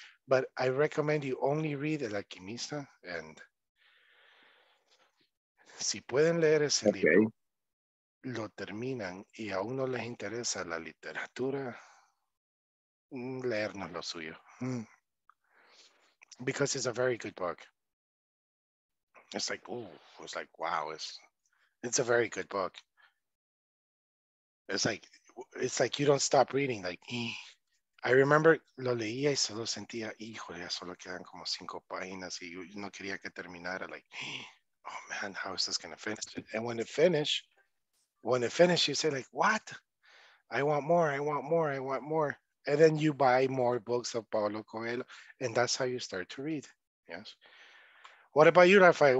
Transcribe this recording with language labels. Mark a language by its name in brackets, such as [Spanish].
[English] But I recommend you only read El Alquimista, and [Spanish] si pueden leer ese libro, lo terminan, y aún no les interesa la literatura, leernos lo suyo. [English] Because it's a very good book. It's like, ooh, it's like, wow, it's a very good book. It's like you don't stop reading. Like, I remember [Spanish] lo leía y solo sentía, híjole, ya solo quedan como cinco páginas y yo no quería que terminara. [English] Like, oh man, how is this going to finish? And when it finished, you say like, what? I want more. And then you buy more books of Paulo Coelho, and that's how you start to read. Yes. What about you, Rafael?